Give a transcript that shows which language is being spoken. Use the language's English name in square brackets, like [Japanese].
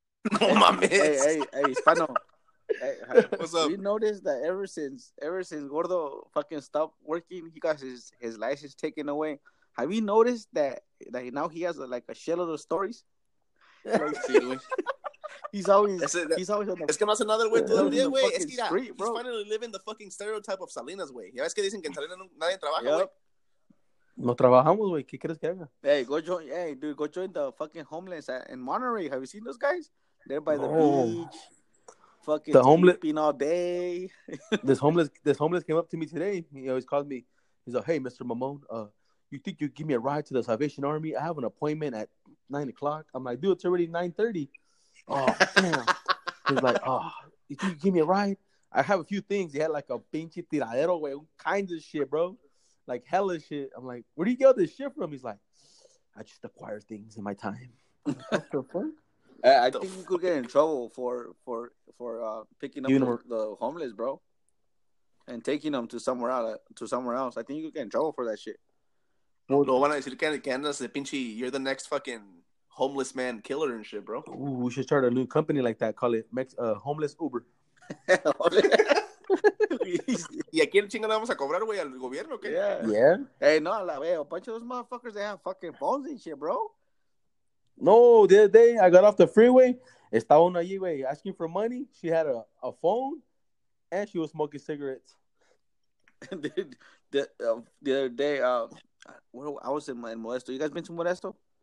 [Spanish] No mames. [English] Hey, Hispano. What's up? You noticed that ever since Gordo fucking stopped working, he got his license taken away. Have you noticed that now he has a shitload of stories? He's always on the [Spanish] Es que no hace nada el güey todo el día, güey. Es que mira, [English] street, he's finally living the fucking stereotype of Salinas, [Spanish] güey. Ya ves que dicen que en Salinas nadie trabaja, güey. No trabajamos, güey. ¿Qué crees que haga? [English] Hey, go join the fucking homeless in Monterey. Have you seen those guys? They're by the beach. Fucking the homeless sleeping all day. This homeless came up to me today. He always called me. He's like, "Hey, Mr. Mamone, you think you give me a ride to the Salvation Army? I have an appointment at 9:00. I'm like, "Dude, it's already 9:30. Oh, damn. He's like, "Oh, you think you give me a ride? I have a few things." He had like a [Spanish] pinche tiradero, [English] güey, kinds of shit, bro. Like hella shit. I'm like, "Where do you get all this shit from?" He's like, "I just acquire things in my time." I think you could get in trouble for picking up the homeless, bro, and taking them to somewhere else. I think you could get in trouble for that shit. [Spanish] No, van a decir que andas de pinche, [English] you're the next fucking homeless man killer and shit, bro. Ooh, we should start a new company like that. Call it Homeless Uber. [Spanish] ¿Y a quién chingada vamos a cobrar, güey? ¿Al gobierno o qué? [English] Yeah. [Spanish] Hey, no, la veo. [English] A bunch of those motherfuckers, they have fucking phones and shit, bro. No, the other day, I got off the freeway. [Spanish] Estaba una allí, güey, [English] asking for money. She had a phone, and she was smoking cigarettes. the other day... Where I was in Modesto. You guys been to Modesto?